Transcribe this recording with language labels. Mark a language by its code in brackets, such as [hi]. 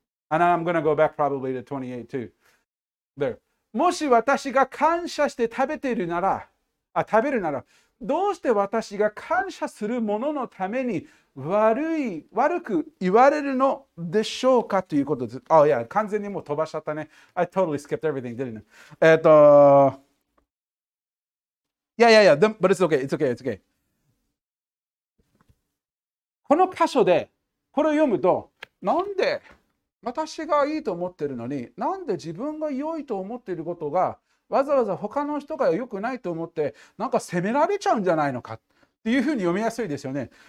[en] And I'm going to go back probably to 28 too. There. [ja] もし私が感謝して食べているなら、食べるなら、どうして私が感謝するもののために悪く言われるのでしょうかということです。あ、いや、完全にもう飛ばしちゃったね。 [en] I totally skipped everything, didn't I? [ja] いやいやいや、 [en] but it's okay, it's okay, it's okay. [ja] この箇所でこれを読むと、なんで私がいいと思ってるのに、なんで自分が良いと思っていることがわざわざ他の人が良くないと思ってなんか責められちゃうんじゃないのかっていうふうに読みやすいですよね。